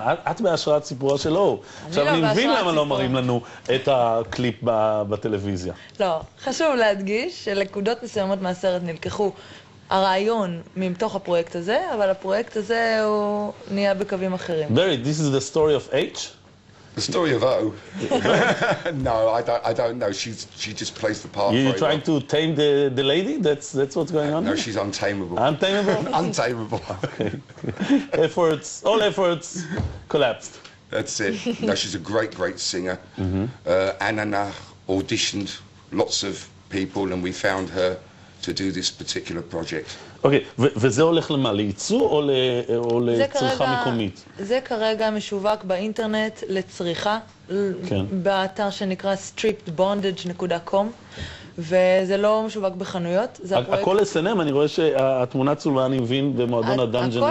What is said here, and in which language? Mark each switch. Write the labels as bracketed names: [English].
[Hebrew] את בהשראת סיפורה של אור. עכשיו, אני מבין למה לא מראים לנו את הקליפ בטלוויזיה. לא. חשוב להדגיש שלנקודות מסוימות מהסרט נלקחו הרעיון ממתוך הפרויקט הזה, אבל הפרויקט הזה הוא נהיה בקווים אחרים. [English] Barry, this is the story of H? The story of O. No, I don't know. She just plays the part. You're trying to tame the lady? That's what's going on? No, she's untamable. Untamable? Untamable. Okay. Efforts, all efforts collapsed. That's it. No, she's a great, great singer. Anna auditioned lots of people and we found her to do this particular project. [Hebrew] אוקיי, וזה הולך למה? לייצוא או לצריכה מקומית? זה כרגע משווק באינטרנט לצריכה, באתר שנקרא strippedbondage.com, וזה לא משווק בחנויות. הכל SNM, אני רואה שהתמונה צולמה, אני מבין, במועדון הדאנג'ן היפואי.